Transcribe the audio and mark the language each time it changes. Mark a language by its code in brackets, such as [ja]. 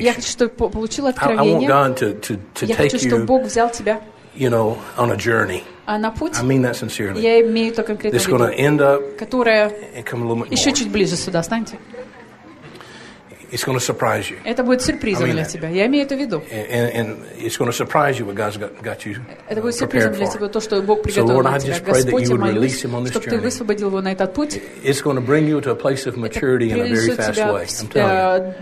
[ru] Я хочу, чтобы получил откровение. [en] I want God to take you. [ru] Я хочу, чтобы Бог взял тебя. [en] You know, on a journey. [ru] А на путь. [en] I mean that sincerely. [ru] Я имею это конкретно. [en] It's going to end up. [ru] Которая. [en] And come a little bit more. [ru] Еще чуть ближе сюда, станьте. [en] It's going to surprise you. [ru] Это будет сюрпризом для тебя. Я имею это в виду. [en] And it's going to surprise you what God's got you. [ru] Это будет сюрпризом для тебя, то, что Бог приготовил для тебя. Господь, чтобы ты высвободил его на этот путь. [en] It's going to bring you to a place of maturity in a very fast way.